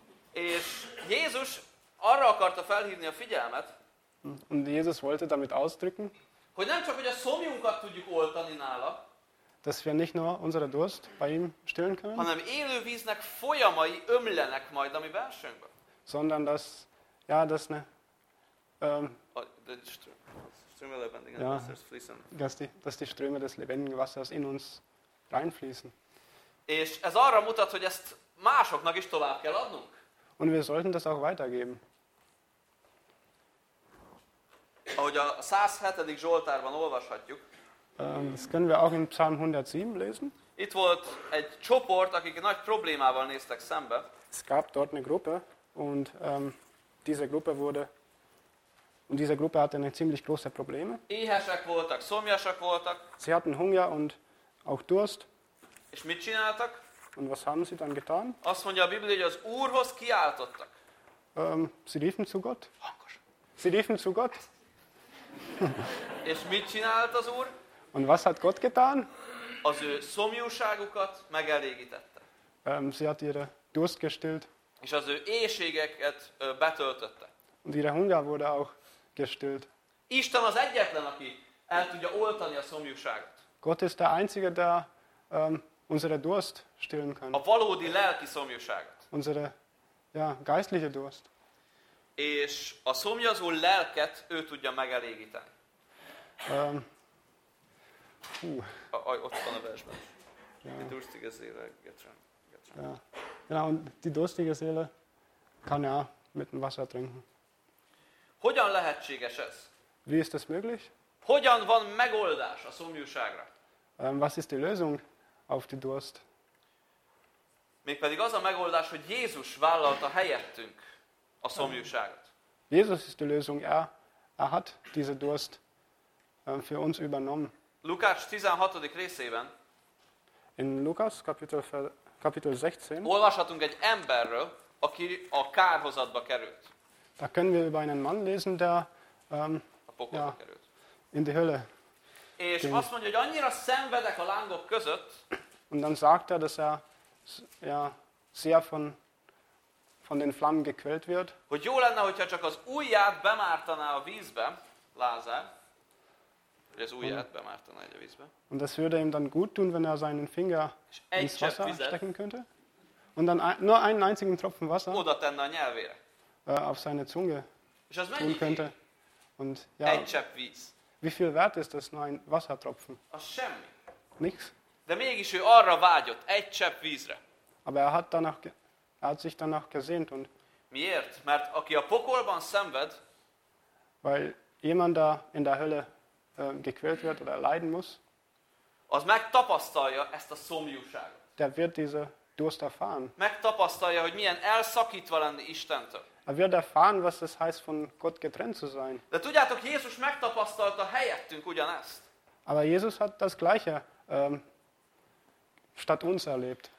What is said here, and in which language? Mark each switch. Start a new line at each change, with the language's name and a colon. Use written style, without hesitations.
Hungarian: És Jézus arra akarta felhívni a figyelmet,
German: und Jesus wollte damit ausdrücken,
Hungarian: hogy nem csak, hogy a szomjunkat tudjuk oltani nála,
German: dass wir nicht nur unsere Durst bei ihm stillen können,
Hungarian: hanem élő víznek folyamai ömlenek majd a mi belsőnkben.
German: Sondern dass ja das ne dass die Ströme des lebendigen Wassers in uns reinfließen.
Hungarian: És ez arra mutat, hogy ezt másoknak is tovább kell adnunk.
German: Und wir sollten das auch weitergeben.
Hungarian: Ahogy a 107. Zsoltárban olvashatjuk.
German: Das können wir auch in Psalm 107 lesen.
Hungarian: Itt volt egy csoport, akik nagy problémával néztek szembe.
German: Es gab dort eine Gruppe. Und diese Gruppe hatte eine ziemlich große Probleme.
Hungarian: Éhesek voltak, szomjasak voltak.
German: Sie hatten Hunger und auch Durst.
Hungarian: És mit csináltak?
German: Und was haben sie dann getan?
Hungarian: Azt mondja a Biblia, hogy az Úrhoz kiáltottak.
German: Sie riefen zu Gott.
Hungarian: Hangos.
German: Sie riefen zu Gott.
Hungarian: És mit csinált az Úr?
German: Und was hat Gott getan?
Hungarian: Az ő szomjúságukat megelégítette.
German: Sie hat ihre Durst gestillt.
Hungarian: És az ő éhségeket betöltötte.
German: Und ihre Hunger wurde auch gestillt.
Hungarian: Isten az egyetlen, aki el tudja oltani a szomjúságot.
German: Gott ist der Einzige, der unsere Durst stillen kann.
Hungarian: A valódi lelki szomjúságot.
German: Unsere ja, geistliche Durst.
Hungarian: És a szomjazó lelket ő tudja megelégíteni. Ott van a versben.
German: Die durstige Seele getrunken. Ja. Genau, und die durstige Seele kann ja mit dem Wasser trinken.
Hungarian: Hogyan lehetséges ez?
German: Wie ist das möglich?
Hungarian: Hogyan van megoldás a szomjúságra?
German: Was ist die Lösung auf die Durst?
Hungarian: Mégpedig az a megoldás, hogy Jézus vállalta helyettünk a szomjúságot.
German: Jézus ist die Lösung, er hat diese Durst für uns übernommen.
Hungarian: Lukács 16. részében
German: in Lukas Kapitel 16 Kapitel 16.
Hungarian: Olvashatunk egy emberről, aki a kárhozatba került.
German: Da können wir über einen Mann lesen, der
Hungarian: a pokolba került.
German: In die Hölle. És ging.
Hungarian: Azt mondja, hogy annyira szenvedek a lángok között.
German: Und dann sagt er, dass er ja sehr von den Flammen gequält wird.
Hungarian: Hogy jó lenne, hogyha csak az ujját bemártaná a vízbe, Lázár. Hogy az ujját bemártaná egy a vízbe.
German: Und das würde ihm dann gut tun, wenn er seinen Finger ins Wasser stecken könnte. Und dann nur einen einzigen Tropfen Wasser
Hungarian: oda tenne a nyelvére.
German: Auf seine Zunge tun könnte. Und ja,
Hungarian: egy csepp víz.
German: Wie viel wert ist das, nur ein Wassertropfen?
Hungarian: Az semmi.
German: Nix.
Hungarian: De mégis ő arra vágyott, egy csepp vízre.
German: Aber er hat sich danach gesehnt. Und
Hungarian: miért? Mert aki a pokolban szenved,
German: weil jemand da in der Hölle gequält wird oder leiden muss,
Hungarian: az megtapasztalja ezt a szomjúságot.
German: Der wird diese Durst erfahren.
Hungarian: Megtapasztalja, hogy milyen elszakítva lenni Istentől.
German: Er wird erfahren, was es heißt, von Gott getrennt zu sein.
Hungarian: De tudjátok, Jézus megtapasztalta helyettünk ugyanezt.
German: Aber Jesus hat das Gleiche statt uns erlebt.